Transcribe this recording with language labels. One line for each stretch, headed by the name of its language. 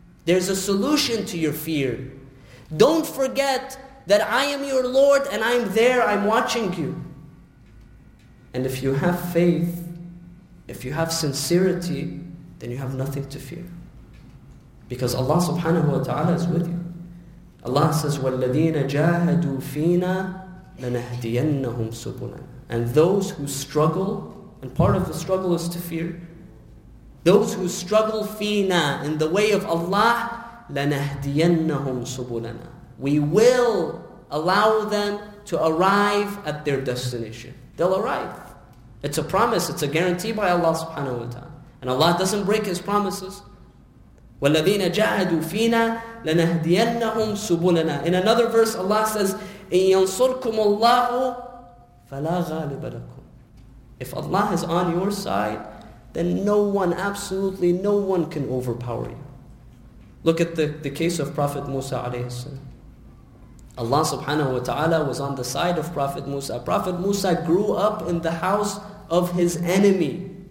English: There's a solution to your fear. Don't forget that I am your Lord and I'm there, I'm watching you. And if you have faith, if you have sincerity, then you have nothing to fear. Because Allah subhanahu wa ta'ala is with you.
Arabic: Allah says, وَالَّذِينَ جَاهَدُوا فِينَا لَنَهْدِيَنَّهُمْ سُبُلًا.
English: And those who struggle, and part of the struggle is to fear, those who struggle fina in the way of Allah, لَنَهْدِيَنَّهُمْ سُبُلَنَا. We will allow them to arrive at their destination. They'll arrive. It's a promise, it's a guarantee by Allah subhanahu wa ta'ala. And Allah doesn't break His promises.
Arabic: وَالَّذِينَ جَاهَدُوا فِينَا لَنَهْدِيَنَّهُمْ سُبُلَنَا. In another verse, Allah says, إِن يَنصُرْكُمُ اللَّهُ فَلَا غَالِبَ لَكُمْ.
English: If Allah is on your side, then no one, absolutely no one can overpower you. Look at the case of Prophet Musa alayhi salam. Allah subhanahu wa ta'ala was on the side of Prophet Musa. Prophet Musa grew up in the house of his enemy.